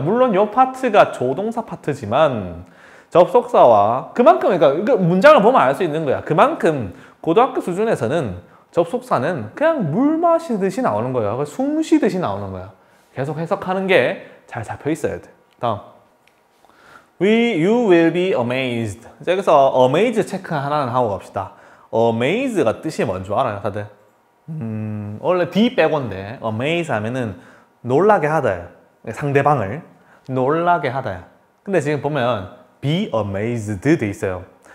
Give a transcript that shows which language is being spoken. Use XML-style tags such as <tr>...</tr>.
<ko>물론 요 파트가 조동사 파트지만 접속사와 그만큼 그러니까 문장을 보면 알 수 있는 거야. 그만큼 고등학교 수준에서는 접속사는 그냥 물 마시듯이 나오는 거야. 숨 쉬듯이 나오는 거야. 계속 해석하는 게 잘 잡혀 있어야 돼. 다음</ko> <en>you will be amazed.</en> <ko>여기서 amazed 체크 하나는 하고 갑시다. amaze가 뜻이 뭔지 알아요 다들? 원래 D 빼고인데 amaze 하면은 놀라게 하다요. 상대방을 놀라게 하다요. 근데 지금 보면 be amazed 돼 있어요.</ko>